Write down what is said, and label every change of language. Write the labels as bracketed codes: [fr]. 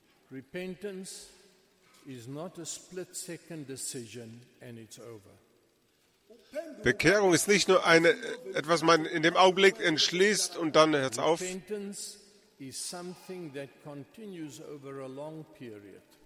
[en] Repentance is not a split-second decision and it's over. [de] Bekehrung ist nicht nur etwas, man in dem Augenblick entschließt und dann hört es auf. [en] Repentance is something that continues over a long period.